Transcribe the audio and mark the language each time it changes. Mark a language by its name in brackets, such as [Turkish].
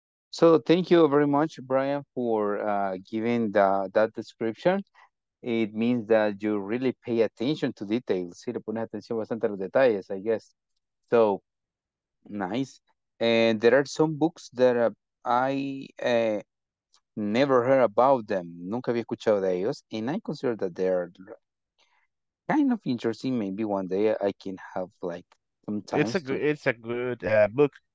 [English] So thank you very much, Brian, for giving that description. It means that you really pay attention to details. [Spanish] Sí, le pones atención bastante a los detalles, [English] I guess. So nice. And there are some books that never heard about them. [Spanish] Nunca había escuchado de ellos. [English] And I consider that they're kind of interesting. Maybe one day I can have like some time. It's a good book.